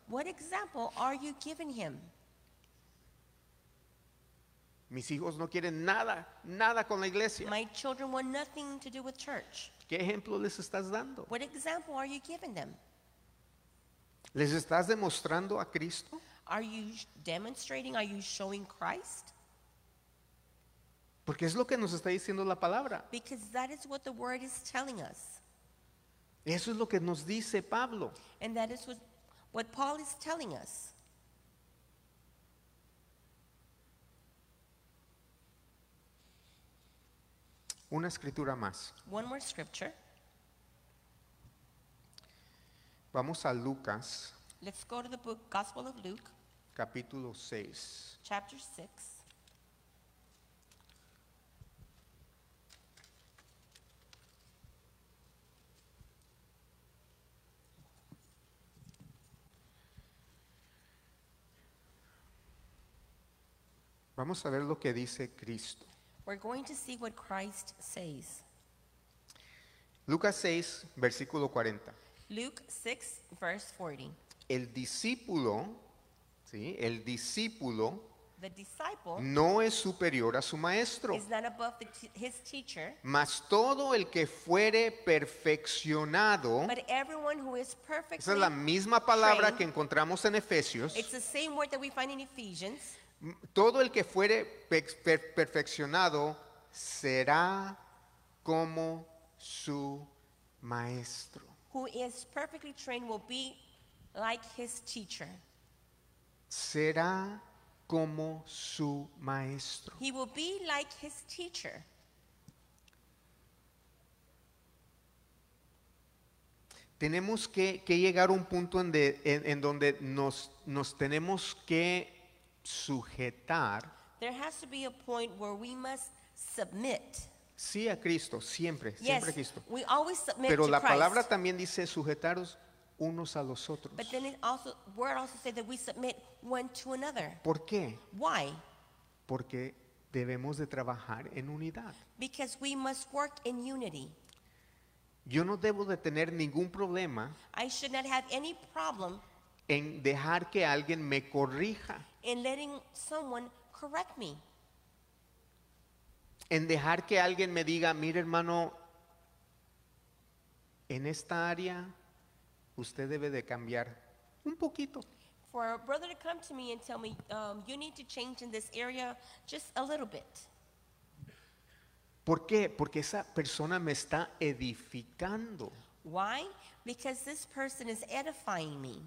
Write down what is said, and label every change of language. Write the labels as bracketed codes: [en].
[en] What example are you giving him? [es] Mis hijos no quieren nada, nada con la iglesia. [en] My children want nothing to do with church. [es] ¿Qué ejemplo les estás dando? [en] What example are you giving them? [es] ¿Les estás demostrando a Cristo? [en] Are you demonstrating? Are you showing Christ? [es] Porque es lo que nos está diciendo la palabra. [en] Because that is what the word is telling us. [es] Eso es lo que nos dice Pablo. [en] And that is what Paul is telling us. [es] Una escritura más. [en] One more scripture. [es] Vamos a Lucas. [en] Let's go to the book, Gospel of Luke. [es] Capítulo 6. [en] Chapter 6. [es] Vamos a ver lo que dice Cristo. [en] We're going to see what Christ says. [es] Lucas 6, versículo 40. [en] Luke 6, verse 40. [es] El discípulo, ¿sí? El discípulo, [en] the disciple, [es] no es superior a su maestro. [en] Is not above his teacher. [es] Mas todo el que fuere perfeccionado. [en] But everyone who is perfectly trained. [es] Esa es la misma palabra [en] trained, [es] que encontramos en Efesios. [en] It's the same word that we find in Ephesians. [es] Todo el que fuere perfeccionado será como su maestro. [en] Who is perfectly trained will be like his teacher. [es] Será como su maestro. [en] He will be like his teacher. [es] Tenemos que llegar a un punto en donde nos tenemos que sujetar. [en] There has to be a point where we must submit. [es] Sí, a Cristo, siempre, [en] yes, [es] siempre a Cristo. [en] We always submit [es] pero [en] to [es] la [en] Christ. [es] Palabra también dice sujetaros unos a los otros. [en] But then it also, word also says that we submit one to another. [es] ¿Por qué? [en] Why? [es] Porque debemos de trabajar en unidad. [en] Because we must work in unity. [es] Yo no debo de tener ningún problema. [en] I should not have any problem [es] en dejar que alguien me corrija. [en] In letting someone correct me. [es] En dejar que alguien me diga, mire hermano, en esta área usted debe de cambiar un poquito. [en] For a brother to come to me and tell me, you need to change in this area just a little bit. [es] ¿Por qué? Porque esa persona me está edificando. [en] Why? Because this person is edifying me.